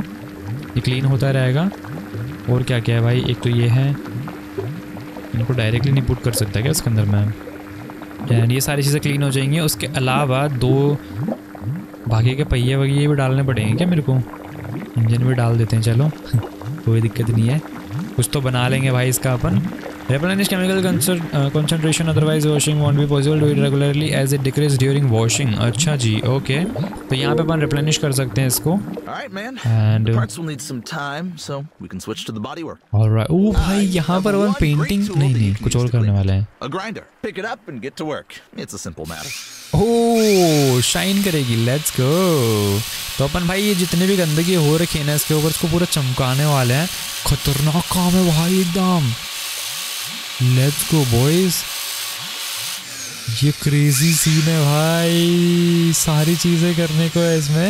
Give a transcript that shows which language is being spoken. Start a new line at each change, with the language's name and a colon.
Hindi: ये क्लीन होता रहेगा। और क्या क्या है भाई? एक तो ये है, इनको डायरेक्टली नहीं पुट कर सकता क्या इसके अंदर मैं? एंड ये सारी चीज़ें क्लीन हो जाएंगी। उसके अलावा दो बाकी के पहिए वगैरह भी डालने पड़ेंगे क्या मेरे को? इंजन भी डाल देते हैं, चलो कोई दिक्कत नहीं है, कुछ तो बना लेंगे भाई इसका अपन।
English: Replenish chemical concentration, otherwise washing won't be possible. Do it regularly as it decreases during washing.
Hindi: अच्छा जी, ओके। तो यहाँ पे अपन replenish कर सकते हैं इसको।
English: Alright man. And the parts will need some time, so we can switch to the bodywork. Alright.
Hindi: ओह भाई यहाँ पर अपन painting नहीं नहीं कुछ और करने वाले हैं।
English: A grinder. Pick it up and get to work. It's a simple matter. Oh, shine करेगी. Let's go.
Hindi: तो अपन भाई ये जितने भी गंदगी हो रखी है ना इसके ऊपर, इसको पूरा चमकाने वाले हैं। खतरनाक काम है भाई एकदम।
English: Let's go boys.
Hindi: ये क्रेजी सीन है भाई, सारी चीजें करने को है इसमें।